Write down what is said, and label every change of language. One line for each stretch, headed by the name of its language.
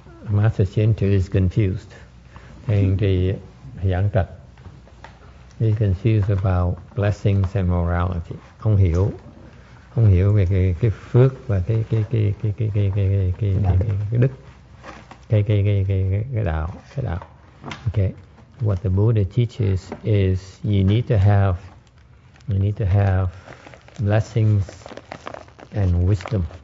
English: Master Chien Tu is confused. And the Yang Tat is confused about blessings and morality.
Vietnamese: Không hiểu. Không hiểu về cái phước và cái đức, cái đạo.
English: Okay. What the Buddha teaches is you need to have blessings and wisdom.